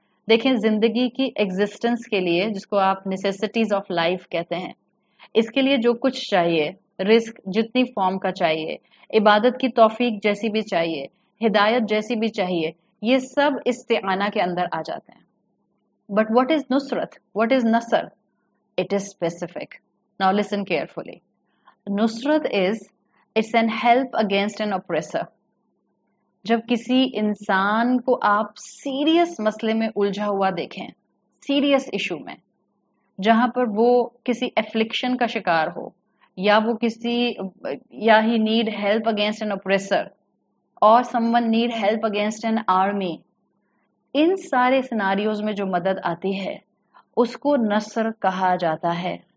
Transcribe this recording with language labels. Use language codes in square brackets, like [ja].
[ur] دیکھیں زندگی کی ایگزسٹنس کے لیے، جس کو آپ نیسیسٹیز آف لائف کہتے ہیں، اس کے لیے جو کچھ چاہیے، رزق جتنی فارم کا چاہیے، عبادت کی توفیق جیسی بھی چاہیے، ہدایت جیسی بھی چاہیے، یہ سب استعانہ کے اندر آ جاتے ہیں. [en] But what is نصرت، what is نصر؟ It is specific. Now listen carefully. Nusrat is, it's an help against an oppressor. [ur] جب کسی انسان کو آپ سیریس مسئلے میں الجھا ہوا دیکھیں، سیریس ایشو میں، جہاں پر وہ کسی affliction کا شکار ہو، یا وہ کسی، یا [en] he need help against an oppressor, [ur] اور [en] someone need help against an army, [ur] ان سارے سیناریوز میں جو مدد آتی ہے اس کو نصر کہا جاتا ہے.